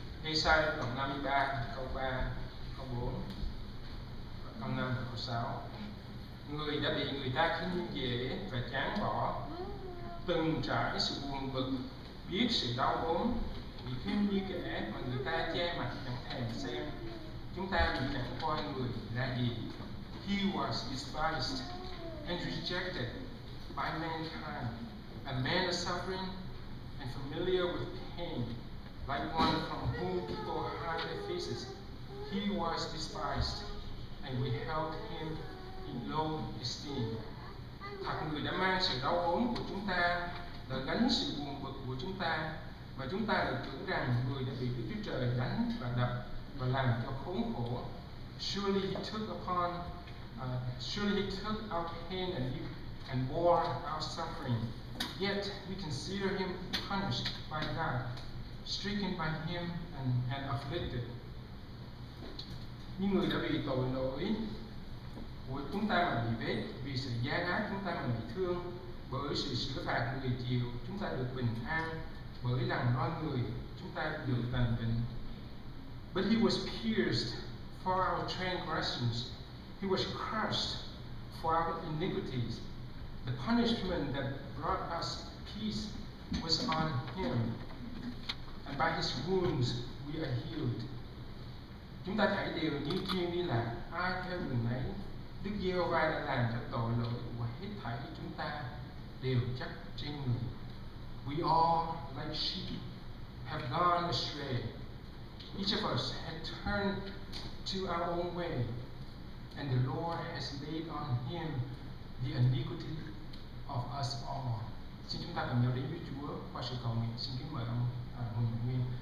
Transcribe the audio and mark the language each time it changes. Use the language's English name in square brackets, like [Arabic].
[Vietnamese] Ê-sai đoạn 53 câu 3, câu 4. Câu 5 và câu 6. Người đã bị người ta khinh dễ và chán bỏ, từng trải sự buồn bực, biết sự đau ốm, bị khinh như kẻ mà người ta che mặt chẳng thèm xem. Chúng ta bị chẳng coi người là gì. [English] He was despised and rejected by mankind, a man of suffering and familiar with pain, like one from whom people hide their faces. He was despised and we held him in low esteem. [Vietnamese] Thật người đã mang sự đau ốm của chúng ta, đã gánh sự buồn bực của chúng ta, và chúng ta được tưởng rằng người đã bị Đức Chúa Trời đánh và đập và làm cho khốn khổ. [English] Surely he took upon, surely he took our pain and bore our suffering. Yet we consider him punished by God, stricken by him and afflicted. [Vietnamese] Những người đã bị tội lỗi của chúng ta mà bị vết, vì sự giá đáng chúng ta mà bị thương, bởi sự sửa phạt của người chịu, chúng ta được bình an, bởi lằn roi người, chúng ta được lành bệnh. [English] But he was pierced for our transgressions. He was crushed for our iniquities. The punishment that brought us peace was on him. And by his wounds we are healed. [Vietnamese] Chúng ta thấy điều như thiên đi là ai theo đường ấy, Đức Giê-hô-va đã làm cho tội lỗi của hết thảy chúng ta đều chắc trên người. [English] We all, like sheep, have gone astray. Each of us had turned to our own way, and the Lord has laid on him the iniquity of us all. [Vietnamese] Xin chúng ta cùng nhau đến với Chúa qua sự cầu nguyện. Xin kính mời ông Hồ Nhật Nguyên.